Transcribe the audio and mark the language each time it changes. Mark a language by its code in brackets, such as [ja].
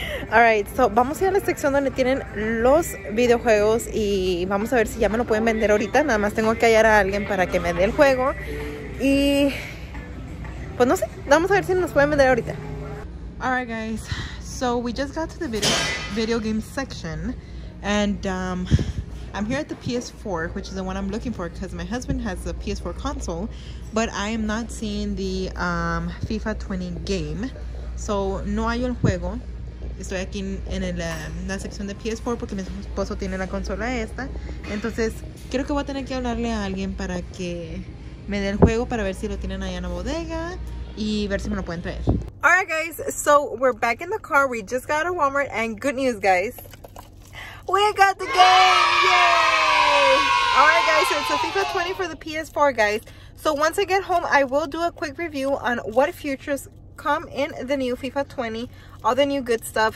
[en] All right, [es] so vamos a ir a la sección donde tienen los videojuegos y vamos a ver si ya me lo pueden vender ahorita. Nada más tengo que hallar a alguien para que me dé el juego y pues no sé, vamos a ver si nos pueden vender ahorita. [en] All right, guys, so we just got to the video game section. And I'm here at the PS4, which is the one I'm looking for because my husband has a PS4 console, but I am not seeing the FIFA 20 game. [es] So no hay el juego. Estoy aquí en el, la sección de PS4 porque mi esposo tiene la consola esta. Entonces creo que voy a tener que hablarle a alguien para que me dé el juego para ver si lo tienen allá en la bodega y ver si me lo pueden traer. [en] All right, guys, so we're back in the car. We just got a Walmart, and good news, guys, we got the game! Yay! All right, guys, so it's a FIFA 20 for the PS4, guys. So once I get home, I will do a quick review on what features come in the new FIFA 20, all the new good stuff.